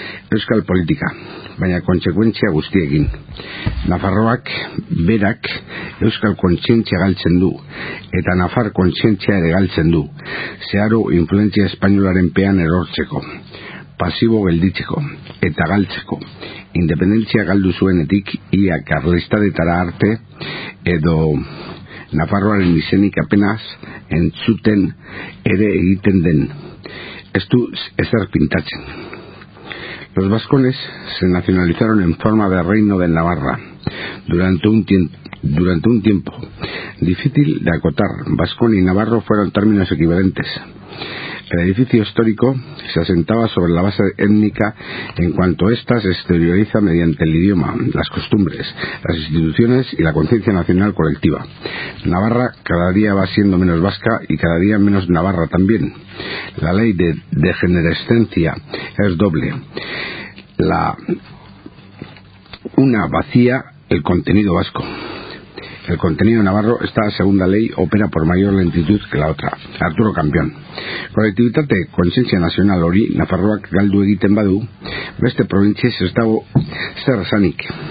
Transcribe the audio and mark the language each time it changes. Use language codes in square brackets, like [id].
[eu] Euskal politika, baina kontsekuentzia guztiekin. Nafarroak, berak, euskal kontsientzia galtzen du, eta Nafar kontsientzia ere galtzen du, zeharu influentzia espainolaren pean erortzeko, pasibo gelditzeko, eta galtzeko, independentzia galdu zuenetik, ia karlistadetara arte, edo Nafarroaren izenik apenaz entzuten ere egiten den. Ez du ezer pintatzen. [es] Los vascones se nacionalizaron en forma de reino de Navarra durante un tiempo difícil de acotar. Vascón y navarro fueron términos equivalentes. El edificio histórico se asentaba sobre la base étnica en cuanto ésta se exterioriza mediante el idioma, las costumbres, las instituciones y la conciencia nacional colectiva. Navarra cada día va siendo menos vasca y cada día menos navarra también. La ley de degenerescencia es doble. La una vacía el contenido vasco. El contenido navarro, esta segunda ley, opera por mayor lentitud que la otra. Arturo Campión. [eu] Kolektibitate kontzientzia nazional hori, Nafarroak galdu egiten badu, beste provintziez ez dago zer esanik.